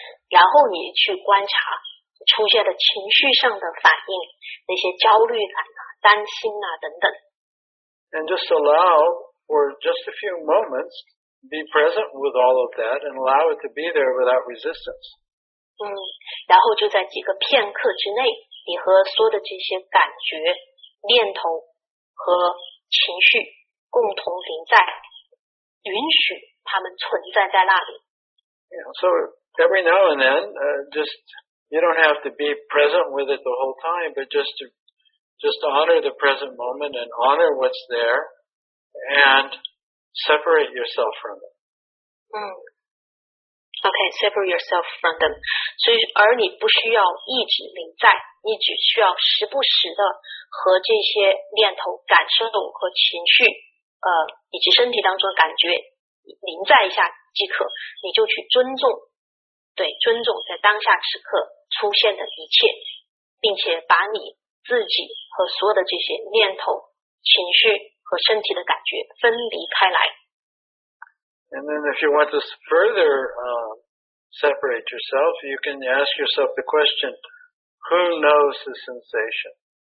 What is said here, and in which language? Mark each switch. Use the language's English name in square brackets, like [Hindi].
[Chinese] 然后你去观察出现的情绪上的反应，那些焦虑感啊、担心啊等等。 [English] And just allow for just a few moments, be present with all of that and allow it to be there without resistance. [Chinese] 然后就在几个片刻之内，你和所有的这些感觉、念头和情绪共同临在，允许他们存在在那里。 [English] Yeah, so every now and then, just you don't have to be present with it the whole time, but just to honor the present moment and honor what's there and separate yourself from it. Okay, separate yourself from them. [Chinese] 所以，而你不需要一直临在，你只需要时不时的和这些念头、感受和情绪，以及身体当中的感觉临在一下即可。你就去尊重，对，尊重在当下此刻出现的一切，并且把你自己和所有的这些念头、情绪和身体的感觉分离开来。 [English] And then if you want to further separate yourself, you can ask yourself the question, who knows the sensation?